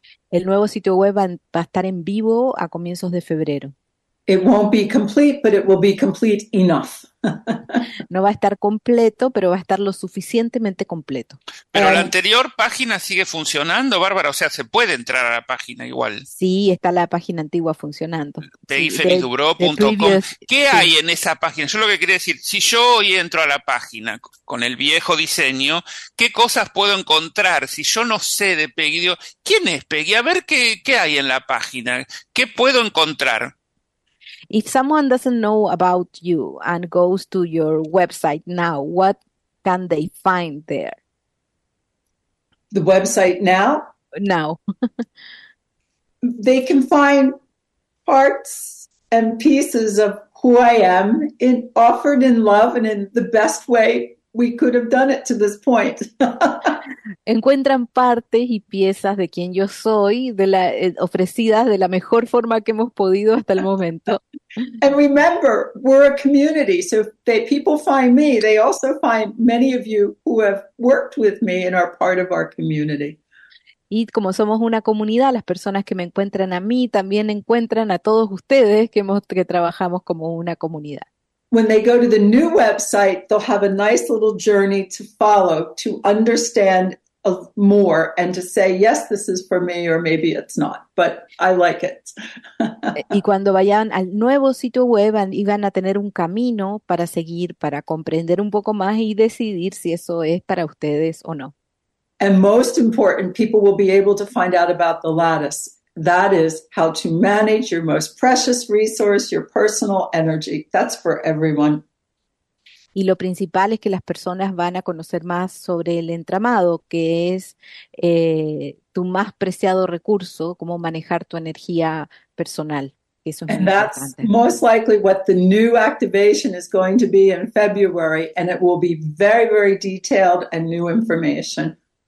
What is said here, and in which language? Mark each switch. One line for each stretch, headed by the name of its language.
Spanish: El nuevo sitio web va a estar en vivo a comienzos de febrero.
English: It won't be complete, but it will be complete enough.
Spanish: No va a estar completo, pero va a estar lo suficientemente completo. Pero la anterior página sigue funcionando, Bárbara, o sea, se puede entrar a la página igual. Sí, está la página antigua funcionando. Peggyfelizdubró.com. ¿Qué hay en esa página? Yo lo que quería decir, si yo hoy entro a la página con el viejo diseño, ¿qué cosas puedo encontrar? Si yo no sé de Peggy, digo, ¿quién es Peggy? A ver qué hay en la página. ¿Qué puedo encontrar?
English: If someone doesn't know about you and goes to your website now, what can they find there? The website now? Now. They can find parts and pieces of who I am in, offered in love and in the best way we could have done it to this point.
Spanish: Encuentran partes y piezas de quien yo soy, ofrecidas de la mejor forma que hemos podido hasta el momento.
English: And remember, we're a community, so they, people find me, they also find many of you who have worked with me and are part of our community.
Spanish: Y como somos una comunidad, las personas que me encuentran a mí también encuentran a todos ustedes que trabajamos como una comunidad.
English: When they go to the new website, they'll have a nice little journey to follow to understand more and to say, yes, this is for me, or maybe it's not, but I like it.
Spanish: Y cuando vayan al nuevo sitio web, iban a tener un camino para seguir, para comprender un poco más y decidir si eso es para ustedes o no.
English: And most important, people will be able to find out about the lattice. That is how to manage your most precious resource, your personal energy. That's for everyone.
Spanish: Y lo principal es que las personas van a conocer más sobre el entramado, que es tu más preciado recurso, cómo manejar tu energía personal. Eso es
English: and
Spanish: muy
English: that's
Spanish: importante.
English: Most likely what the new activation is going to be in February, and it will be very, very detailed and new information.